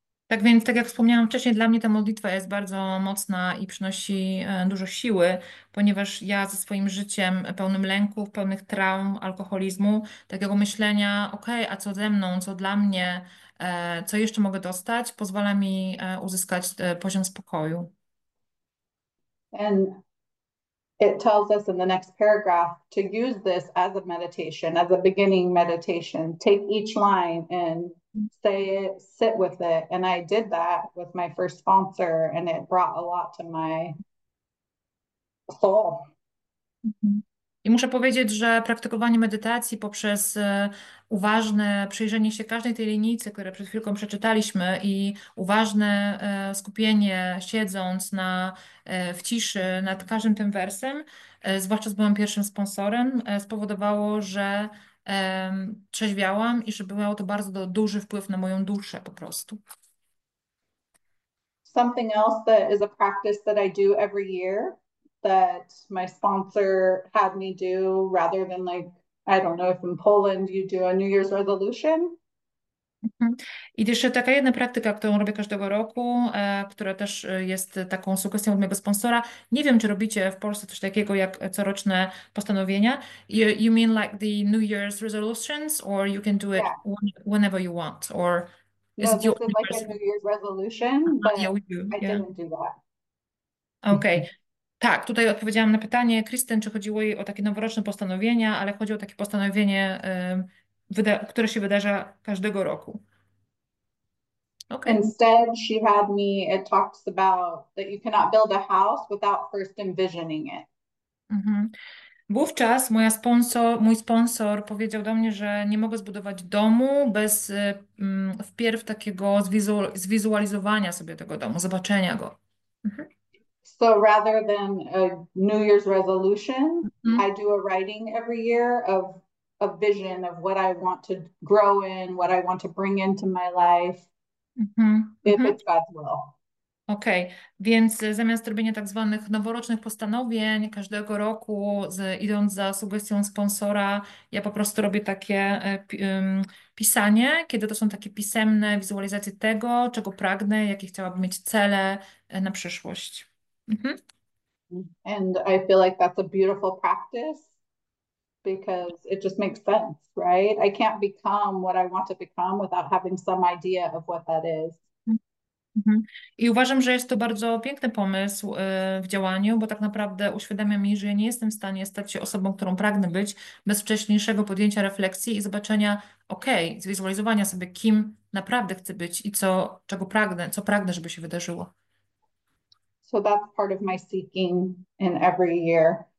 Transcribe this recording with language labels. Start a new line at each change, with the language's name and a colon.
Polish: Tak więc, tak jak wspomniałam wcześniej, dla mnie ta modlitwa jest bardzo mocna i przynosi dużo siły, ponieważ ja ze swoim życiem pełnym lęków, pełnych traum, alkoholizmu, takiego myślenia, okej, okay, a co ze mną, co dla mnie, co jeszcze mogę dostać, pozwala mi uzyskać poziom spokoju.
English: And it tells us in the next paragraph to use this as a meditation, as a beginning meditation. Take each line and say it, sit with it. And I did that with my first sponsor, and it brought a lot to my soul.
Polish: I muszę powiedzieć, że praktykowanie medytacji poprzez uważne przyjrzenie się każdej tej linijce, które przed chwilką przeczytaliśmy, i uważne skupienie siedząc w ciszy nad każdym tym wersem, zwłaszcza z moim pierwszym sponsorem, spowodowało, że trzeźwiałam i że miało to bardzo duży wpływ na moją duszę po prostu.
English: Something else that is a practice that I do every year that my sponsor had me do rather than like, I don't know if in Poland you do a New Year's resolution.
Polish: I jeszcze taka jedna praktyka, którą robię każdego roku, która też jest taką sugestią od mojego sponsora. Nie wiem, czy robicie w Polsce coś takiego jak coroczne postanowienia.
English: You mean like the New Year's resolutions, or you can do it whenever you want, or is No, it your this is like a New anniversary? Year's resolution, Yeah, but we do. I didn't do that. Okay.
Polish: Tak, tutaj odpowiedziałam na pytanie Kristen, czy chodziło jej o takie noworoczne postanowienia, ale chodzi o takie postanowienie, które się wydarza każdego roku. Okej. Okay.
English: Instead, she had me, it talks about that you cannot build a house without first envisioning it.
Polish: Wówczas mój sponsor powiedział do mnie, że nie mogę zbudować domu bez wpierw takiego zwizualizowania sobie tego domu, zobaczenia go.
English: So rather than a New Year's resolution, I do a writing every year of a vision of what I want to grow in, what I want to bring into my life, if it's God's will.
Polish: Okej, okay. Więc zamiast robienia tak zwanych noworocznych postanowień każdego roku, idąc za sugestią sponsora, ja po prostu robię takie pisanie, kiedy to są takie pisemne wizualizacje tego, czego pragnę, jakie chciałabym mieć cele na przyszłość.
English: And I feel like that's a beautiful practice because it just makes sense, right? I can't become what I want to become without having some idea of what that is.
Polish: I uważam, że jest to bardzo piękny pomysł w działaniu, bo tak naprawdę uświadamia mi, że ja nie jestem w stanie stać się osobą, którą pragnę być, bez wcześniejszego podjęcia refleksji i zobaczenia, okej, zwizualizowania sobie, kim naprawdę chcę być i co pragnę, żeby się wydarzyło.
English: So that's part of my seeking in every year.